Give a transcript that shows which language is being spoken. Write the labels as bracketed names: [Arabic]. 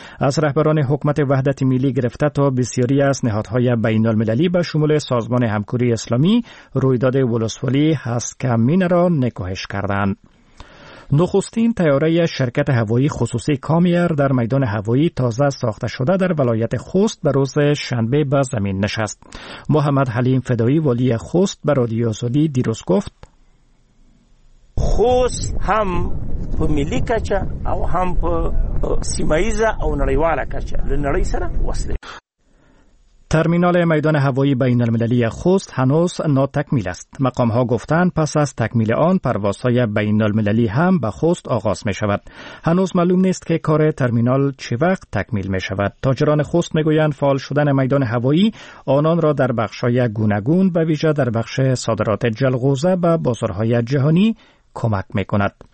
[Persian] از رهبران حکومت وحدت ملی گرفته تا بسیاری از نهادهای بین المللی به شمول سازمان همکاری اسلامی رویداد ولسوالی هسکمینه را نکوهش کردند. نخستین تیاره شرکت هوایی خصوصی کامیر در میدان هوایی تازه ساخته شده در ولایت خوست به روز شنبه به زمین نشست. محمد حلیم فدایی والی خوست به رادیو آزادی دیروز گفت [Pashto] خوست هم په ملی کچه او هم په سیمه‌ایزه او نړیواله کچه لنری سره وصله. [Persian] ترمینال میدان هوایی بین المللی خوست هنوز ناتکمیل است. مقام ها گفتند پس از تکمیل آن پروازهای بین المللی هم به خوست آغاز می شود. هنوز معلوم نیست که کار ترمینال چه وقت تکمیل می شود. تاجران خوست می گویند فعال شدن میدان هوایی آنان را در بخشای گوناگون به ویژه در بخش صادرات جلغوزه به بازارهای جهانی کمک می کند.